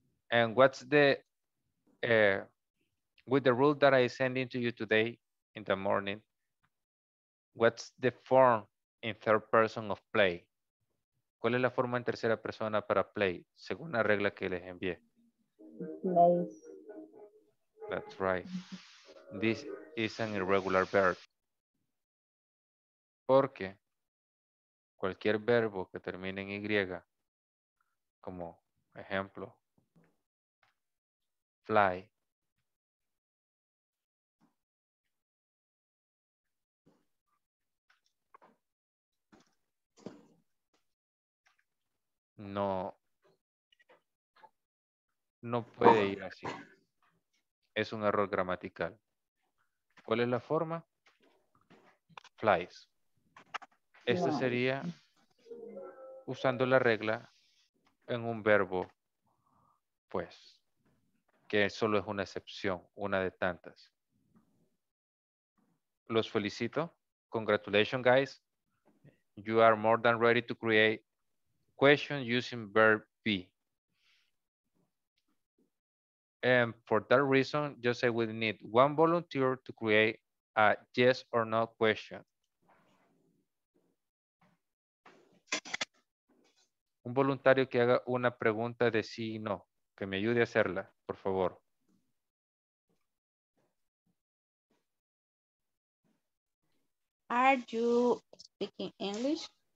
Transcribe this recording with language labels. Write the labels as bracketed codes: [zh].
[en] And what's the, with the rule that I send in to you today in the morning, what's the form in third person of play? [es] ¿Cuál es la forma en tercera persona para play? Según la regla que les envié. [en] Place. That's right. This is an irregular verb. [es] Porque cualquier verbo que termine en Y, como ejemplo, fly, no puede ir así. Es un error gramatical. ¿Cuál es la forma? Flies. Esta sería usando la regla en un verbo, pues, que solo es una excepción, una de tantas. Los felicito. [en] Congratulations, guys. You are more than ready to create questions using verb be. And for that reason, just say we need one volunteer to create a yes or no question. [es] Un voluntario que haga una pregunta de sí y no, que me ayude a hacerla, por favor. [en] Are you speaking English?